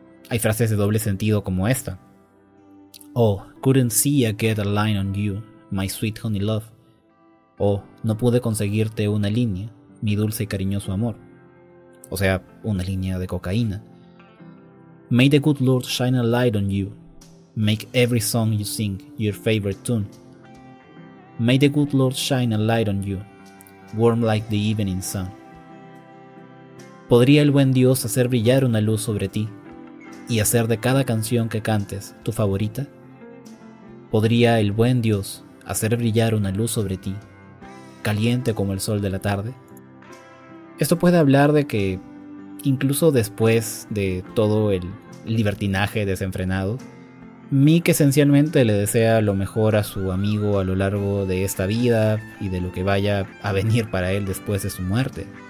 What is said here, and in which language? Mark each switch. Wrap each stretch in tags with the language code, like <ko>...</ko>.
<es>Hay frases de doble sentido como esta:</es> <en>"Oh, couldn't see a get a line on you, my sweet honey love".</en> <es>"Oh, no pude conseguirte una línea, mi dulce y cariñoso amor. O sea, una línea de cocaína.</es> <en>May the good Lord shine a light on you. Make every song you sing your favorite tune. May the good Lord shine a light on you, warm like the evening sun.</en> <es>¿Podría el buen Dios hacer brillar una luz sobre ti y hacer de cada canción que cantes tu favorita? ¿Podría el buen Dios hacer brillar una luz sobre ti, caliente como el sol de la tarde? Esto puede hablar de que, incluso después de todo el libertinaje desenfrenado, Mick esencialmente le desea lo mejor a su amigo a lo largo de esta vida y de lo que vaya a venir para él después de su muerte.</es>